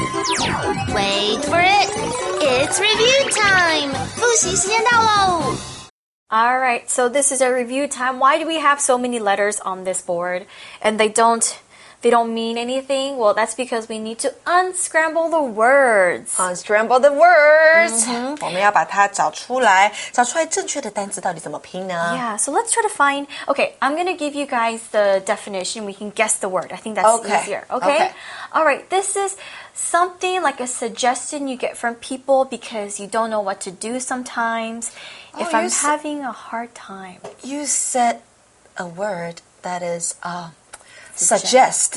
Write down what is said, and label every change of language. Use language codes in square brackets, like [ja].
[en] Wait for it. It's review time. [zh] 复习时间到喽。 [en] All right. So this is our review time. Why do we have so many letters on this board? And they don't mean anything? Well, that's because we need to unscramble the words. Unscramble the words!、 Mm-hmm. [zh] 我们要把它找出来，找出来正确的单词到底怎么拼呢？ [en] Yeah, so let's try to find... Okay, I'm going to give you guys the definition. We can guess the word. I think that's easier. Okay? All right, this is... something like a suggestion you get from people because you don't know what to do sometimes. If I'm having a hard time. You said a word that is suggest.